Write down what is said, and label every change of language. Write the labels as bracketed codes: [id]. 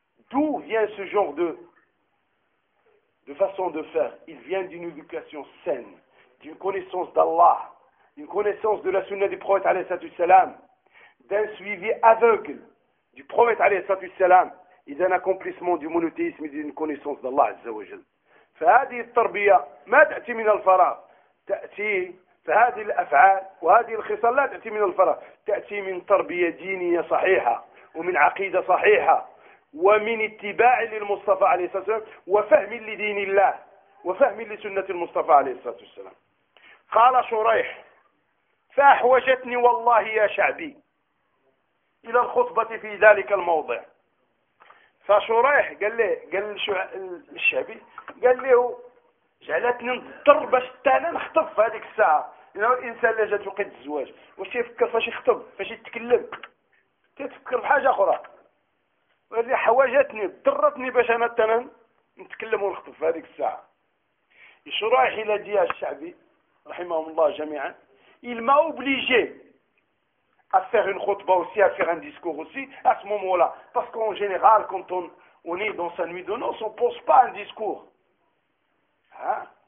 [fr] D'où vient ce genre de façon de faire? Il vient d'une éducation saine, d'une connaissance d'Allah, d'une connaissance de la sunna du prophète alayhi salatu salam, d'un suivi aveugle du prophète alayhi salatu salam, et d'un accomplissement du monothéisme et d'une connaissance d'Allah azza wa jal. [ar] فهذه التربية ما تأتي من الفراغ تأتي فهذه الأفعال وهذه الخصال لا تأتي من الفراغ تأتي من تربية دينية صحيحة ومن عقيدة صحيحة ومن اتباع للمصطفى عليه الصلاة والسلام وفهم لدين الله وفهم لسنة المصطفى عليه الصلاة والسلام. قال شريح فأحوجتني والله يا شعبي إلى الخطبة في ذلك الموضع. فشريح قال لي قال الشعبي قال له جعلتني نضطر باش تانا نخطب في هذيك الساعة. لأنه الإنسان اللي جات وقيت الزواج واش يفكر فاش يخطب فاش يتكلم تتفكر بحاجة أخرى. قال لي حواجتني ضرتني باش أنا تانا نتكلم ونخطب في هذيك الساعة. الشرائح إلى ديال الشعبي رحمهم الله جميعا [fr] il m'a obligé à faire une khutba aussi, à faire un discours aussi, à ce moment-là. Parce qu'en général, quand on est dans sa nuit de noces, on ne pose pas un discours. Hein?